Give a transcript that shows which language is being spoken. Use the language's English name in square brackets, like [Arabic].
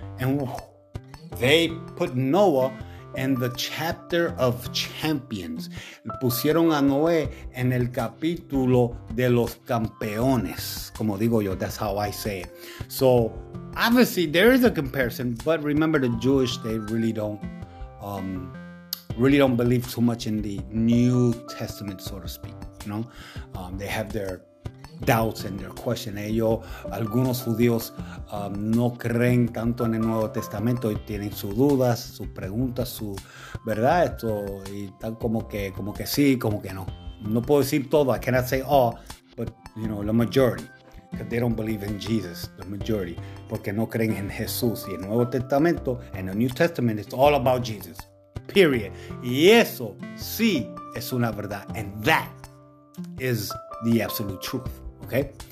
[English] And they put Noah in the chapter of champions. [Spanish] Pusieron a Noé en el capítulo de los campeones. [English] Como digo yo, that's how I say it. So, obviously, there is a comparison, but remember the Jewish, they really don't believe too much in the New Testament, so to speak, they have their doubts and their question. [Spanish] Ellos, algunos judíos, no creen tanto en el Nuevo Testamento y tienen sus dudas, sus preguntas, su verdad, esto, y están como que sí, como que no. [English] No puedo decir todo, I cannot say all, but, the majority. Because they don't believe in Jesus, the majority. [Spanish] Porque no creen en Jesús. Y el Nuevo Testamento, and the New Testament, it's all about Jesus. Period. [English] Y eso sí es una verdad. And that is the absolute truth. Okay?